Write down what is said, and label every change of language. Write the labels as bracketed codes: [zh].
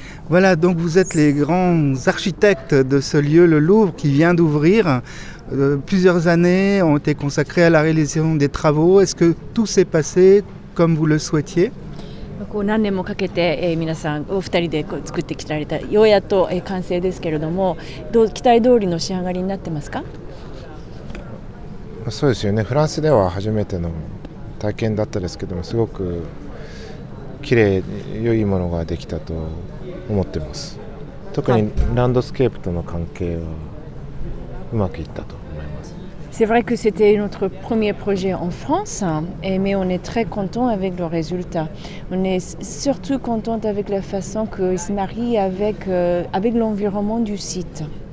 [fr] Voilà, donc vous êtes les grands architectes de ce lieu, le Louvre, qui vient d'ouvrir. Plusieurs années ont été consacrées à la réalisation des travaux. Est-ce que tout s'est passé comme vous le souhaitiez ? [ja] こう 何年もかけて、皆さんお二人でこう作ってきられた、ようやっと、完成ですけれども、どう期待通りの仕上がりになってますか？そうですよね。フランスでは初めての体験だったですけども、すごく綺麗、良いものができたと思ってます。特にランドスケープとの関係はうまくいったと。 [fr] C'est vrai que c'était notre premier projet en France, hein, mais on est très content avec le résultat. On est surtout content avec la façon qu'il se marie avec, avec l'environnement du site.